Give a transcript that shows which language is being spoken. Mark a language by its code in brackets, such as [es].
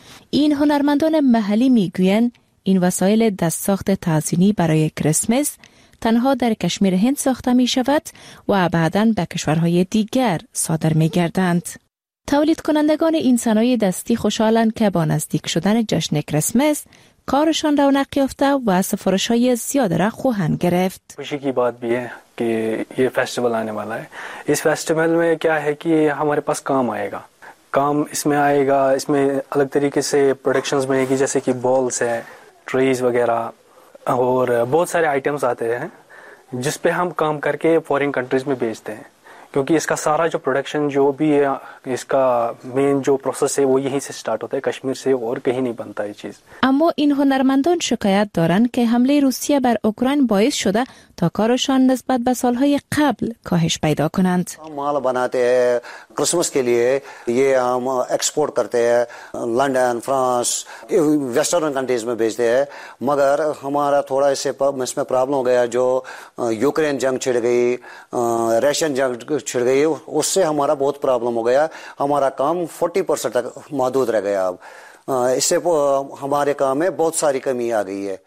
[fa] این هنرمندان محلی می‌گویند این وسایل دست ساخت تزیینی برای کریسمس تنها در کشمیر هند ساخته می شود و بعداً به کشورهای دیگر صادر می گردند. تولید کنندگان این صنایع دستی خوشحالند که با نزدیک شدن جشن کریسمس کارشان رونق یافته و سفارش های زیاد را خواهند گرفت. [ur] خوشی کی بات بیه که یه فستیوال آنے والا ہے. اس فستیوال میں کیا ہے کہ ہمارے پاس کام آئے گا. کام اس میں آئے گا، اس میں الگ طریقے سے پروڈکشنز بنے گی، جیسے کہ بالز ہے، ٹریز وغیرہ اور بہت سارے آئٹمس آتے ہیں جس پہ ہم کام کر کے فورین کنٹریز میں بیچتے ہیں. کیونکہ اس کا سارا جو پروڈکشن جو بھی اس کا مین جو پروسیس ہے وہ یہیں سے سٹارٹ ہوتا ہے، کشمیر سے اور کہیں نہیں بنتا یہ چیز۔ [fa] اما ان ہنرمندان شکایت دارن کہ حملے روسیہ بر اوکراین باعث شده تا کارشان نسبت به سالهای قبل کاهش پیدا کنند۔ [ur] ہم مال بناتے ہیں کرسمس کے لیے، یہ ہم ایکسپورٹ کرتے ہیں لندن، فرانس، ویسٹرن کنٹریز میں بھیجتے ہیں، مگر ہمارا تھوڑا اس میں پرابلم ہو گیا جو یوکرین جنگ چھڑ گئی، ریشن جنگ چھڑ گئی، اس سے ہمارا بہت پرابلم ہو گیا۔ ہمارا کام 40% تک محدود رہ گیا، اب اس سے ہمارے کام میں بہت ساری کمی آ گئی ہے۔